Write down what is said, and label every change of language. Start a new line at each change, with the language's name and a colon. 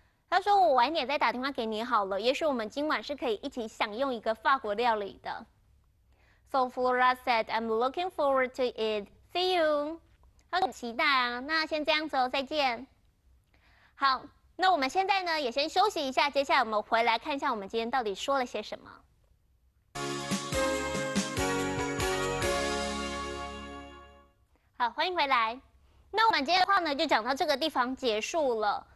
Chinese: 他说我晚点再打电话给你好了，也许我们今晚是可以一起享用一个法国料理的。
English: So Flora said I'm looking forward to it. See you.
Chinese: 他说很期待啊，那先这样子哦，再见。好，那我们现在呢也先休息一下，接下来我们回来看一下我们今天到底说了些什么。好，欢迎回来。那我们今天的话呢就讲到这个地方结束了。